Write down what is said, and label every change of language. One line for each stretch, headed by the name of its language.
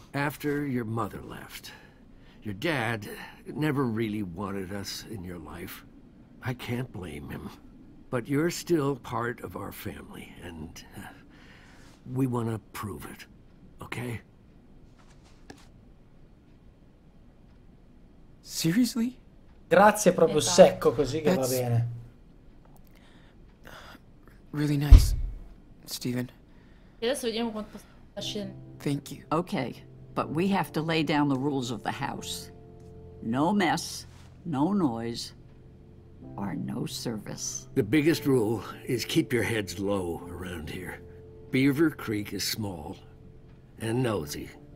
English: After your mother left, your dad never really wanted us in your life. I can't blame him, but you're still part of our family, and we want to prove it, okay? Seriously?
Italian: Grazie, proprio secco, così che va bene.
English: Really nice, Stephen.
Italian: E adesso vediamo quanto sta scendendo.
English: Thank you. Okay, but we have to lay down the rules of the house. No mess, no noise. Are no service. The biggest rule is keep your heads low around here. Beaver Creek is small and nosy.